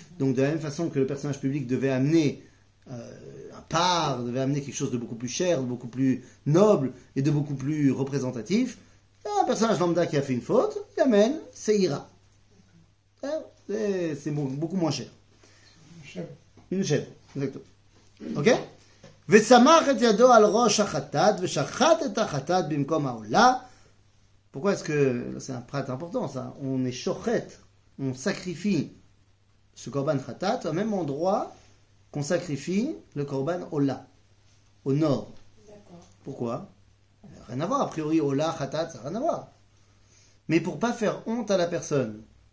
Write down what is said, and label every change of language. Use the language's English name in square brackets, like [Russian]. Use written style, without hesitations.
[French] Donc de la même façon que le personnage public devait amener un part, devait amener quelque chose de beaucoup plus cher, de beaucoup plus noble et de beaucoup plus représentatif, un personnage lambda qui a fait une faute, il amène, c'est ira. C'est beaucoup moins cher. Une chèvre. Une chèvre, exactement. Ok ? [Hebrew] ושמח את ידו על ראש החטאת ושחט את החטאת במקום העולה. [French] Pourquoi est-ce que c'est un prêtre important ça? On est shochet, on sacrifie ce korban chatat au même endroit qu'on sacrifie le korban olah, au nord. D'accord. Pourquoi? Rien à voir, a priori olah, chatat, ça n'a rien à voir. Mais pour ne pas faire honte à la personne.